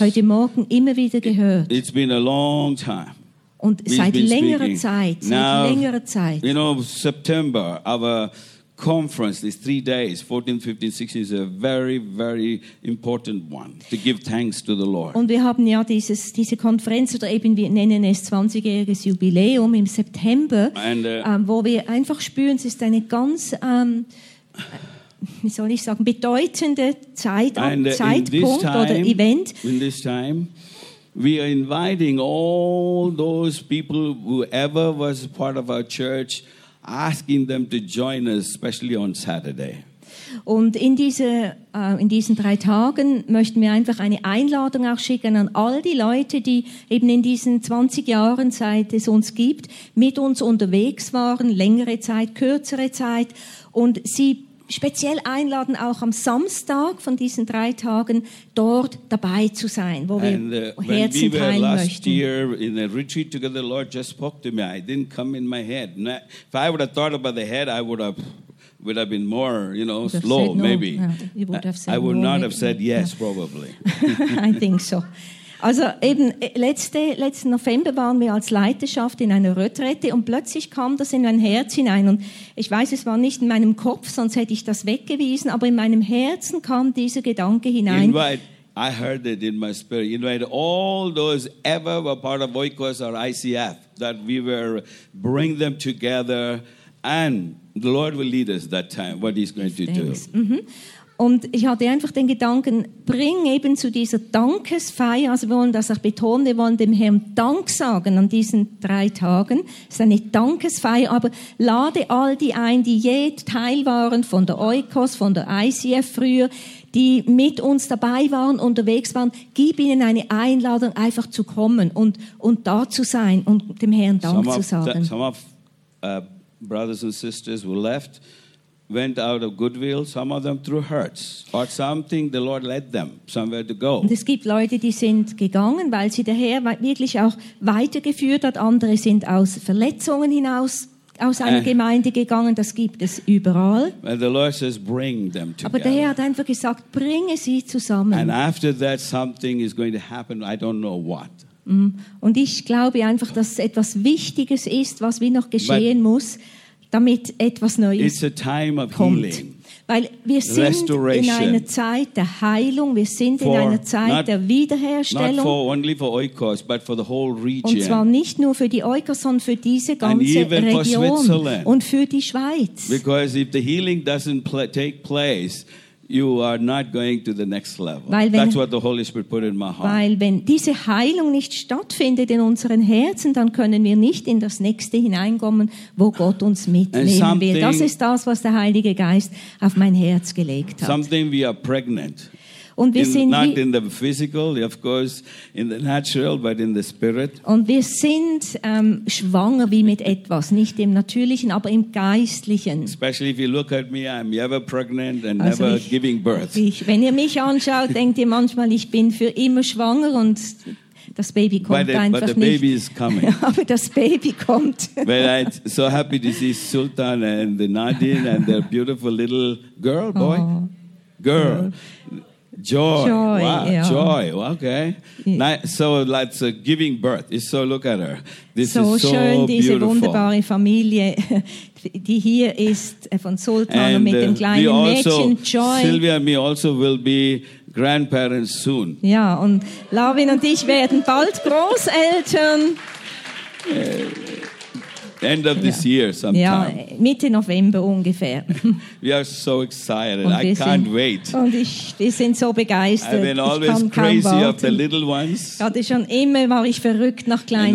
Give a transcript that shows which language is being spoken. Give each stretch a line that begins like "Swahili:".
German: Heute Morgen immer wieder gehört.
English: It's been a long time.
German: Und seit längerer Zeit.
English: Now,
German: seit längerer Zeit.
English: You know, September, our conference, these 3 days, 14, 15, 16, is a very, very important one to give thanks to the Lord.
German: Und wir haben ja diese Konferenz, oder eben wir nennen es 20-jähriges Jubiläum im September, wo wir einfach spüren, es ist eine ganz, wie soll ich sagen, bedeutende Zeitpunkt oder Event.
English: In this time, we are inviting all those people, whoever was part of our church, asking them to join us, especially on Saturday.
German: Und in diesen 3 Tagen möchten wir einfach eine Einladung auch schicken an all die Leute, die eben in diesen 20 Jahren, seit es uns gibt, mit uns unterwegs waren, längere Zeit, kürzere Zeit, und sie speziell einladen, auch am Samstag von diesen 3 Tagen dort dabei zu sein, wo wir Herzen teilen möchten.
English: Last year in a retreat together, the Lord just spoke to me. I didn't come in my head. If I would have thought about the head, I would have been more, you know, slow, maybe. I would not have said yes, probably. I think so.
German: Also eben letzten November waren wir als Leiterschaft in einer Retrette und plötzlich kam das in mein Herz hinein. Und ich weiß, es war nicht in meinem Kopf, sonst hätte ich das weggewiesen, aber in meinem Herzen kam dieser Gedanke hinein.
English: I heard it in my spirit. Invite all those ever were part of Oikos or ICF, that we were bring them together and the Lord will lead us that time, what he's going to do. Mm-hmm.
German: Und ich hatte einfach den Gedanken, bring eben zu dieser Dankesfeier, also wir wollen das auch betonen, wir wollen dem Herrn Dank sagen an diesen 3 Tagen. Es ist eine Dankesfeier, aber lade all die ein, die je Teil waren von der Oikos, von der ICF früher, die mit uns dabei waren, unterwegs waren, gib ihnen eine Einladung, einfach zu kommen und da zu sein und dem Herrn Dank zu sagen.
English: Some of brothers and sisters who left went out of goodwill, some of them through hurts, or something the Lord led them somewhere to go.
German: Und es gibt Leute, die sind gegangen, weil sie der Herr wirklich auch weitergeführt hat. Andere sind aus Verletzungen hinaus aus einer Gemeinde gegangen. Das gibt es überall.
English: And the Lord says, bring them together.
German: Aber der Herr hat einfach gesagt, bringe sie zusammen.
English: And after that, something is going to happen. I don't know what.
German: Und ich glaube einfach, dass etwas Wichtiges ist, was wie noch geschehen muss, damit etwas Neues
English: It's a time of
German: kommt.
English: Healing.
German: Weil wir sind in einer Zeit der Heilung, wir sind in einer Zeit der Wiederherstellung.
English: Not only for Oikos, but for the whole region.
German: Und zwar nicht nur für die Oikos, sondern für diese ganze Region und für die Schweiz.
English: Because if the healing doesn't take place, you are not going to the next level. That's what the Holy Spirit put in my heart.
German: Weil wenn diese Heilung nicht stattfindet in unseren Herzen, dann können wir nicht in das Nächste hineinkommen, wo Gott uns mitnehmen will. Das ist das, was der Heilige Geist auf mein Herz gelegt hat.
English: Something we are pregnant.
German: Und wir sind
English: not in the physical, of course, in the natural, but in the spirit.
German: Und wir sind schwanger wie mit etwas, nicht im Natürlichen, aber im Geistlichen.
English: Especially if you look at me, I'm never pregnant and also never giving birth.
German: Wenn ihr mich anschaut, denkt ihr manchmal, ich bin für immer schwanger und das Baby kommt einfach nicht.
English: But the baby is coming.
German: Aber das Baby kommt.
English: But I'm so happy to see Sultan and the Nadine and their beautiful little girl, boy, oh. Girl. Yeah. Joy. Wow,
German: ja.
English: Joy, okay. So that's a giving birth. So look at her. This so is so
German: schön, diese
English: beautiful.
German: Wunderbare Familie, die hier ist, von Sultan
English: and,
German: mit dem kleinen also, Mädchen, Joy.
English: Sylvia and me also will be grandparents soon.
German: Ja, und Lavin und ich werden bald Großeltern.
English: End of this year sometime.
German: Ja, Mitte November ungefähr.
English: We are so excited. I can't wait.
German: Und wir sind so begeistert.
English: I've been always crazy of the little ones.
German: Hatte schon immer, war ich verrückt nach kleinen